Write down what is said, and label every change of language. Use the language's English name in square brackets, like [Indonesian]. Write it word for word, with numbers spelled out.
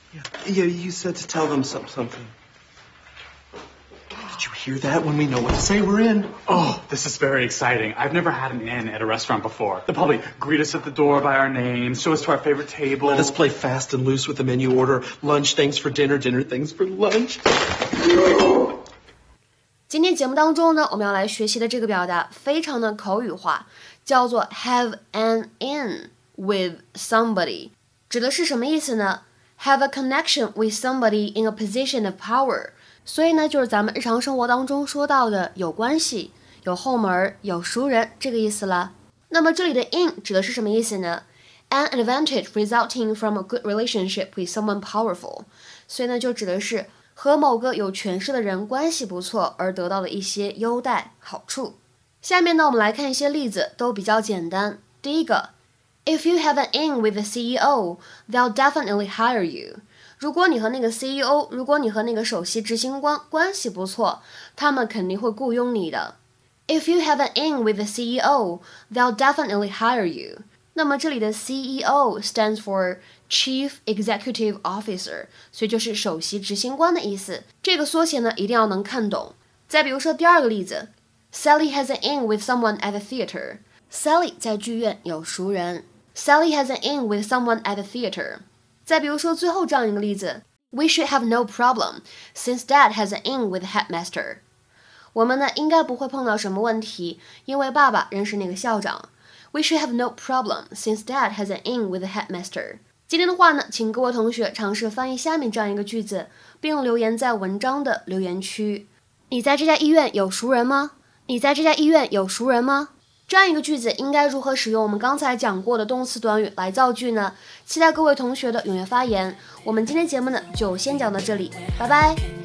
[English] Yeah, yeah you said to tell them some, something. Did you hear that? When we know what to say, we're in. Oh, this is very exciting. I've never had an in at a restaurant before. They'll probably greet us at the door by our names, show us to our favorite table. Let us play fast and loose with the menu order. Lunch, thanks for dinner. Dinner, thanks for lunch. [Chinese] 今天节目当中呢，我们要来学习的这个表达非常的口语化，叫做 have an in with somebody， 指的是什么意思呢？ [English] have a connection with somebody in a position of power， [Chinese] 所以呢就是咱们日常生活当中说到的有关系，有后门，有熟人，这个意思啦。那么这里的 in 指的是什么意思呢？ [English] An advantage resulting from a good relationship with someone powerful， [Chinese] 所以呢就指的是和某个有权势的人关系不错而得到的一些优待好处。下面呢我们来看一些例子，都比较简单。第一个 [English] If you have an in with the C E O, they'll definitely hire you. [Chinese] 如果你和那个 C E O, 如果你和那个首席执行官关系不错，他们肯定会雇佣你的。 [English] If you have an in with the C E O, they'll definitely hire you. [Chinese] 那么这里的 C E O [English] stands for Chief Executive Officer， [Chinese] 所以就是首席执行官的意思，这个缩写呢一定要能看懂。再比如说第二个例子 [English] Sally has an in with someone at the theater. [Chinese] Sally 在剧院有熟人。 [English] Sally has an in with someone at the theater. [Chinese] 再比如说最后这样一个例子 [English] We should have no problem since Dad has an in with the headmaster. [Chinese] 我们呢应该不会碰到什么问题，因为爸爸认识那个校长。 [English] We should have no problem since Dad has an in with the headmaster. [Chinese] 今天的话呢，请各位同学尝试翻译下面这样一个句子，并留言在文章的留言区。你在这家医院有熟人吗？你在这家医院有熟人吗？这样一个句子应该如何使用我们刚才讲过的动词短语来造句呢？期待各位同学的踊跃发言。我们今天节目呢就先讲到这里，拜拜。